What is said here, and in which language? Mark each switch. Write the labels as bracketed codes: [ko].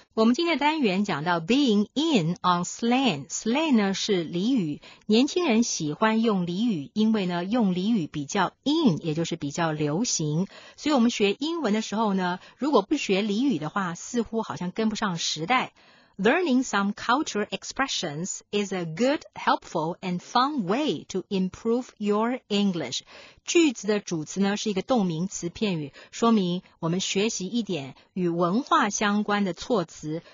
[zh] 我们今天的单元讲到 [en] being in on slang， [zh] slang 呢是俚语，年轻人喜欢用俚语，因为呢用俚语比较 in， 也就是比较流行。所以我们学英文的时候呢，如果不学俚语的话，似乎好像跟不上时代。 [en] Learning some culture expressions is a good, helpful, and fun way to improve your English. [zh] 句子的主词呢是一个动名词片语，说明我们学习一点与文化相关的措辞。